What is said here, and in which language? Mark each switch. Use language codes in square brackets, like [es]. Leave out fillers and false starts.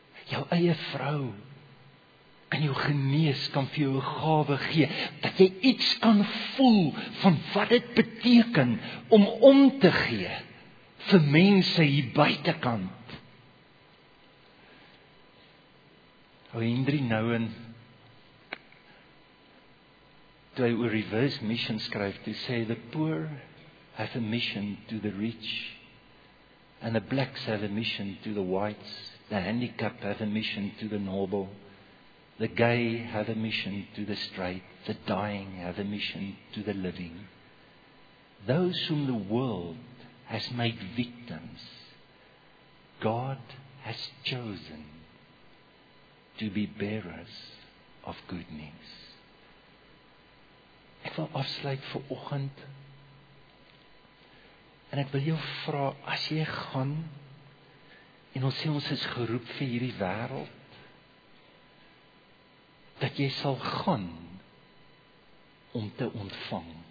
[af] jou eie vrou kan jou genees, kan vir jou gawe gee, dat jy iets kan voel van wat dit beteken om te gee vir mense hier buitekant. Hou Hendrie nou in, toe hy oor reverse mission skryf, toe sê, [en] the poor have a mission to the rich, and the blacks have a mission to the whites, the handicapped have a mission to the noble, the gay have a mission to the straight, the dying have a mission to the living. Those whom the world has made victims, God has chosen to be bearers of good news. [af] Ek wil afsluit vir oggend, en ek wil jou vra, as jy gaan, en ons sê ons is geroep vir hierdie wêreld, dat jy sal gaan om te ontvang.